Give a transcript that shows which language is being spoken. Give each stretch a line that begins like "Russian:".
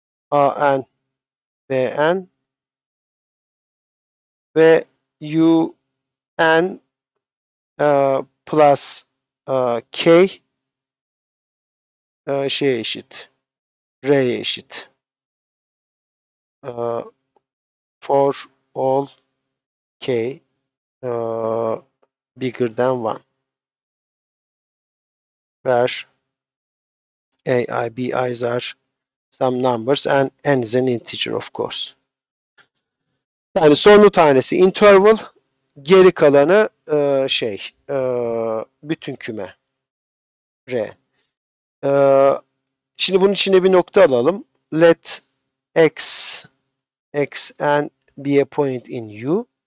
Turkish: AN BN ve U N plus K şeye eşit, R'ye eşit.
English: For all K bigger than one. Where AI BI's are some numbers and n is an integer of course.
Turkish: Yani sonu tanesi interval, geri kalanı şey bütün küme R. Şimdi bunun içine bir nokta alalım.
English: Let xn be a point in U.